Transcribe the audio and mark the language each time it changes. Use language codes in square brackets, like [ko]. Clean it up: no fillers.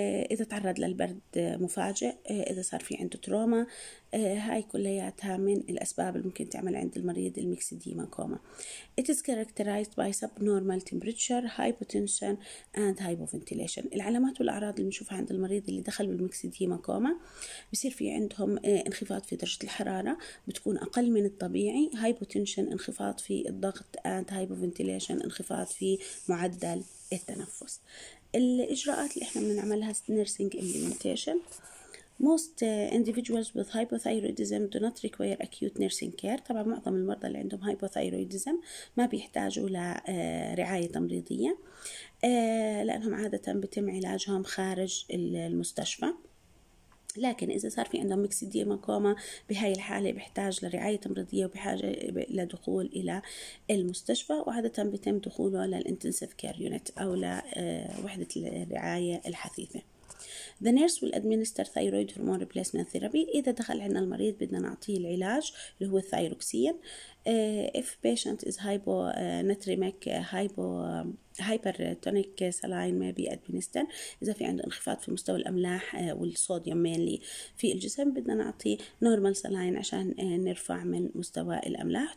[ar] إذا تعرض للبرد مفاجئ، إذا صار في عنده تروما، هاي كلياتها من الأسباب اللي ممكن تعمل عند المريض الميكسيديما كوما. [en] It is characterized by subnormal temperature, hypotension and hypoventilation. [ar] العلامات والأعراض اللي بنشوفها عند المريض اللي دخل بالميكسيديما كوما، بصير في عندهم انخفاض في درجة الحرارة بتكون أقل من الطبيعي، hypotension انخفاض في الضغط and hypoventilation انخفاض في معدل التنفس. الإجراءات اللي إحنا بنعملها nursing implementation. [en] Most individuals with hypothyroidism do not require acute nursing care. [ar] طبعا معظم المرضى اللي عندهم hypothyroidism ما بيحتاجوا لرعاية تمريضية لأنهم عادة بتم علاجهم خارج المستشفى، لكن إذا صار في عندهم ميكسيديما كوما بهاي الحالة بيحتاج لرعاية تمريضية وبحاجة لدخول إلى المستشفى، وعادة بيتم دخوله للإنتنسيف كير يونت أو لوحدة الرعاية الحثيثة. [en] The nurse will administer thyroid hormone replacement therapy. [ar] إذا دخل عندنا المريض بدنا نعطيه العلاج اللي هو الثايروكسين. [en] If patient is hyponatremic, hypertonic saline may be administered. [ar] إذا في عنده انخفاض في مستوى الأملاح والصوديوم mainly في الجسم، بدنا نعطي normal saline عشان نرفع من مستوى الأملاح.